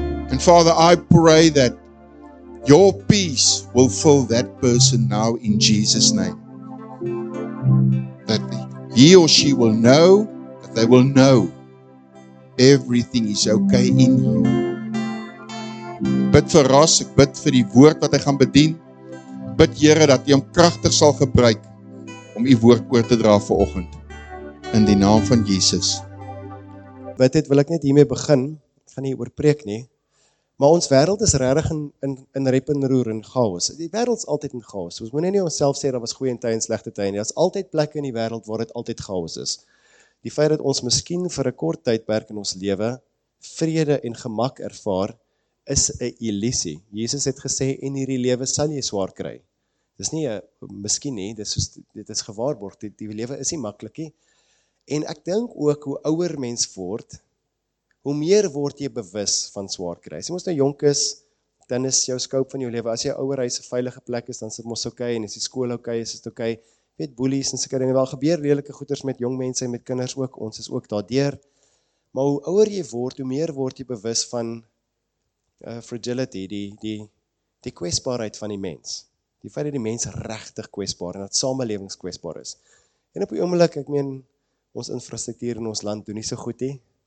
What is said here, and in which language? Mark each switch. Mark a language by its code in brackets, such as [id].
[en] And Father, I pray that your peace will fill that person now in Jesus' name. That he or she will know, that they will know everything is okay in you. [af] Bid vir Ras, ek bid vir die woord wat hy gaan bedien. Bid Here dat hy hom kragtig sal gebruik om u woord oor te dra vanoggend. In die naam van Jesus. Wat het wil ek net hiermee begin, gaan nie oor preek nie. Maar ons wêreld is regtig in rep en roer en chaos. Die wêreld is altyd in chaos. Ons moet nie onsself sê daar was goeie tye en slegte tye nie. Daar's altyd plekke in die wêreld waar dit altyd chaos is. Die feit dat ons miskien vir 'n kort tydperk in ons lewe vrede en gemak ervaar, is 'n illusie. Jesus het gesê en hierdie lewe sal jy swaar kry. Dis nie 'n miskien nie, dit is gewaarborg. Die lewe is nie maklik nie. En ek dink ook hoe ouer mens word, hoe meer word jy bewus van swaar kry. As jy mos nou jonk is, dan is jou scope van jou lewe. As jy ouer huis 'n veilige plek is, dan is dit mos okay en as die skool okay is, is dit okay. Weet, bullies en sekere dinge, wel gebeur redelike goeders met jong mense en met kinders ook. Ons is ook daardeur. Maar hoe ouer jy word, hoe meer word jy bewus van fragility, die kwesbaarheid van die mens. Die feit dat die mens regtig kwesbaar en dat samelewings kwesbaar is. En op die oomblik, ek meen, ons infrastruktuur in ons land doen nie so goed nie.